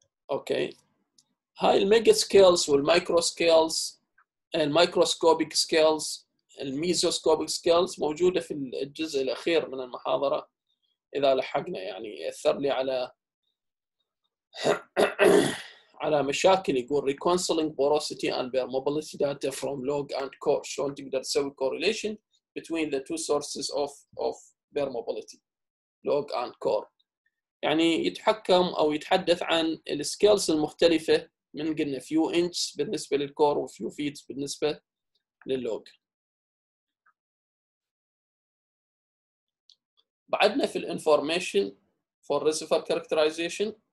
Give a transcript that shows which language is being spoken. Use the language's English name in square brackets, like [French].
[Arabic] اوكي، هاي الميجا سكيلز والمايكرو سكيلز، الميكروسكوبيك سكيلز، الميزوسكوبيك سكيلز موجودة في الجزء الأخير من المحاضرة إذا لحقنا، يعني يأثر لي على مشاكل. يقول [English] reconciling porosity and bare mobility data from log and core، [Arabic] شلون تقدر تسوي [English] correlation between the two sources of bare mobility log and core. [Arabic] يعني يتحكم أو يتحدث عن السكيلز المختلفة، من قلنا few inches بالنسبة للكور و few feet بالنسبة لللوج. بعدنا في الانفورميشن for reservoir characterization.